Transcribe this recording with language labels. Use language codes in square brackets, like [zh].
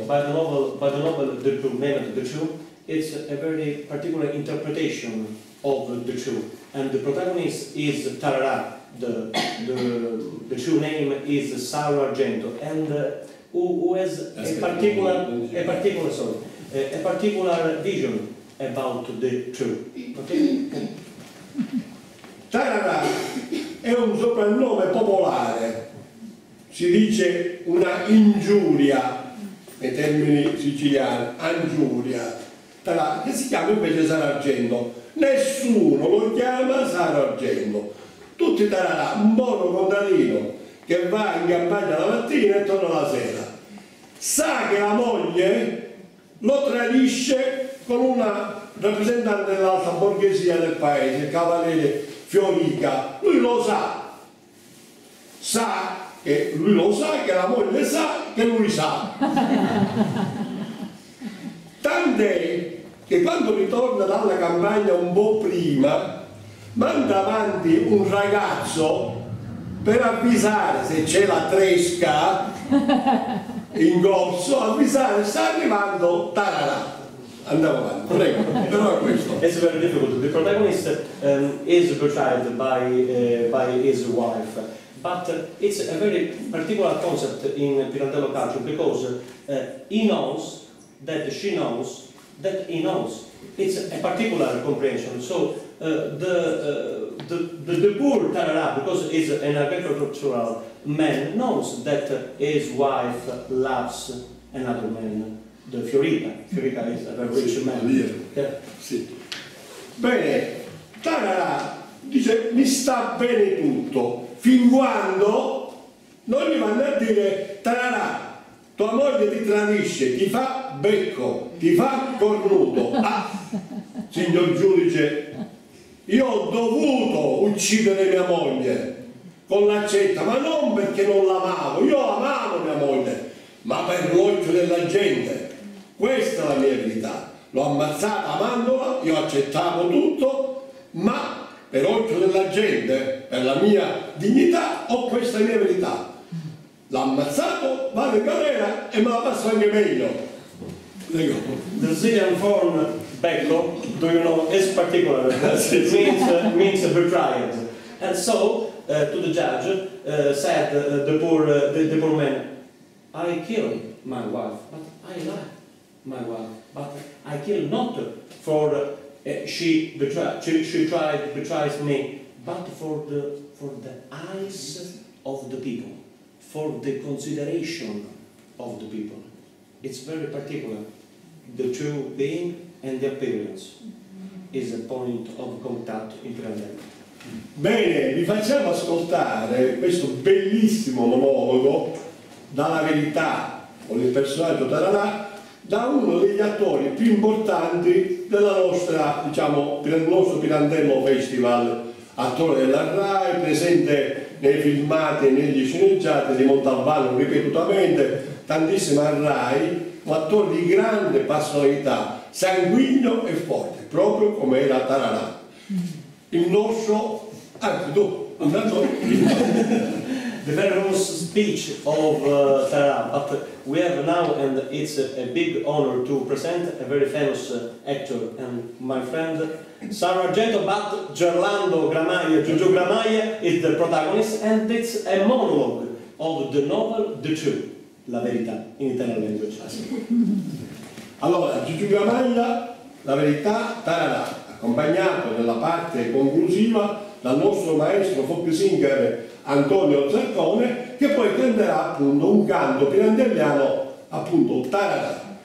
[en] By the novel The True, named The True, it's a very particular interpretation of The True. And the protagonist is Tarà. The true name is Saro Argento. And who has a particular vision about The True. Okay? [it] Tarara è un soprannome popolare, si dice una ingiuria nei termini siciliani, angiuria. Tarara, che si chiama invece Saro Argento, nessuno lo chiama Saro Argento, tutti Tarara, un buono contadino che va in campagna la mattina e torna la sera, sa che la moglie lo tradisce con una rappresentante dell'alta borghesia del paese, il cavaliere Fiorica. Lui lo sa, che la moglie sa che lui sa. Tant'è che quando ritorna dalla campagna un po' prima, manda avanti un ragazzo per avvisare se c'è la tresca in corso, avvisare sta arrivando Tarara. Andiamo avanti, prego. [en] It's very difficult. The protagonist is betrayed by his wife, but it's a very particular concept in Pirandello culture because she knows that he knows. It's a particular comprehension. So the poor Tarara, because he's an agricultural man, knows that his wife loves another man. The Fiorita is a very rich man. Yeah. Sì. [it] Bene, tarara, dice, mi sta bene tutto, fin quando non gli vanno a dire, tarara, tua moglie ti tradisce, ti fa becco, ti fa cornuto. Ah, signor giudice, io ho dovuto uccidere mia moglie con l'accetta, ma non perché non l'amavo, io amavo mia moglie, ma per l'occhio della gente. Questa è la mia verità. L'ho ammazzata amandola, io accettavo tutto, ma per occhio della gente, per la mia dignità, ho questa mia verità. L'ha ammazzato, vado in galera e me la passo anche meglio. Prego. [en] The Zillian form becco, do you know, is particular. It means betrayed. And so, to the judge, said the poor man, I killed my wife, but I love my wife, but I killed not for she betrays me, but for the eyes of the people, for the consideration of the people. It's very particular, the true being and the appearance is a point of contact in present. [it] Bene, vi facciamo ascoltare questo bellissimo monologo dalla verità con il personaggio Tarara, da uno degli attori più importanti della nostra, diciamo, del nostro Pirandello Festival, attore della RAI, presente nei filmati e negli sceneggiati di Montalbano ripetutamente, tantissimo a RAI, un attore di grande personalità, sanguigno e forte, proprio come era Tarara. Il nostro, anche tu, andando. [en] The very famous speech of Tarara, but we have now, and it's a big honor to present a very famous actor and my friend Sara Argento, but Gerlando Gramaglia, Giorgio Gramaglia is the protagonist, and it's a monologue of the novel The Truth, La Verità, in Italian language. [it] Allora, Giorgio Gramaglia, La Verità, Tarara, accompagnato nella parte conclusiva dal nostro maestro Foppio Singer, Antonio Zarcone, che poi canterà appunto un canto pirandelliano, appunto Tarara.